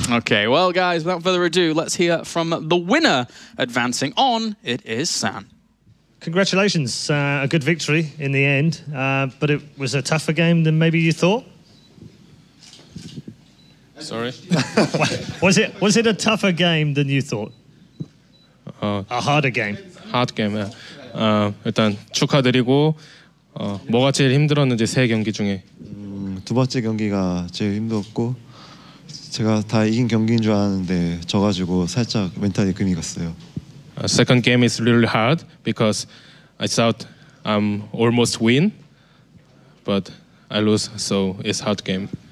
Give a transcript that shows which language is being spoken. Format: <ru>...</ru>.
<en>Okay. Well, guys, without further ado, let's hear from the winner advancing on. It is San. Congratulations. A good victory in the end. But it was a tougher game than maybe you thought. Sorry. was it a tougher game than you thought? A harder game. Hard game, yeah.</en> <ko>일단 축하드리고 뭐가 제일 힘들었는지 세 경기 중에 두 번째 경기가 제일 힘들었고 제가 다 이긴 경기인 줄 아는데 져가지고 살짝 멘탈이 금이 갔어요.</ko> <en>Second game is really hard because I thought I'm almost win, but I lose, so it's hard game.</en>